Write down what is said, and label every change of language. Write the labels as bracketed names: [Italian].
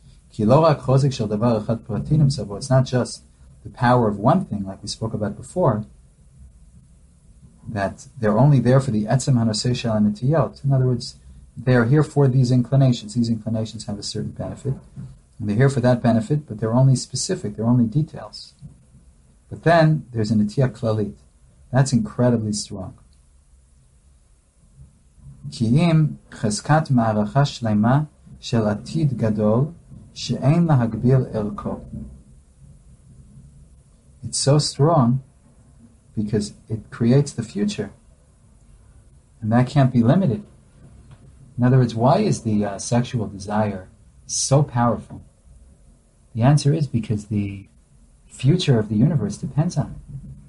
[Hebrew] Ki lo rak chozik shel davar echad prati nimtza bo. [English] It's not just the power of one thing, like we spoke about before, that they're only there for the etzem hanosei shel hanetiyot. In other words, they are here for these inclinations. These inclinations have a certain benefit, and they're here for that benefit, but they're only specific, they're only details. But then there's a netiya klalit. That's incredibly strong. [Hebrew] כי אם חזקת מערכה שלמה של עתיד גדול שאין להגביל ערכו. [English] It's so strong because it creates the future. And that can't be limited. In other words, why is the sexual desire so powerful? The answer is because the future of the universe depends on it.